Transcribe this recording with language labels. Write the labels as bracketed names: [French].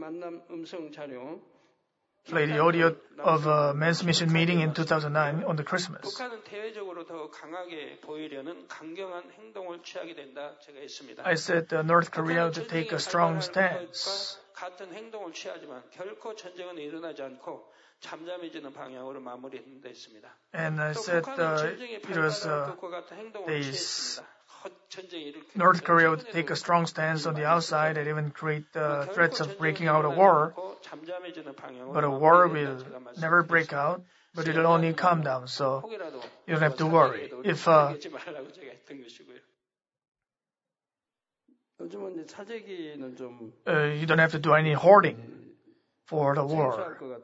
[English] I will play the audio of a men's mission meeting in 2009 on the Christmas. [Korean] 북한은 대외적으로 더 강하게 보이려는 강경한 행동을 취하게 된다 제가 했습니다. [English] I said the North Korea would take a strong stance. [Korean] 같은 행동을 취하지만 결코 전쟁은 일어나지 않고 잠잠해지는 방향으로 마무리된다 했습니다. [English] And I said it was this. North Korea would take a strong stance on the outside and even create threats of breaking out a war, but a war will never break out, but it will only calm down, so you don't have to worry. If you don't have to do any hoarding for the war.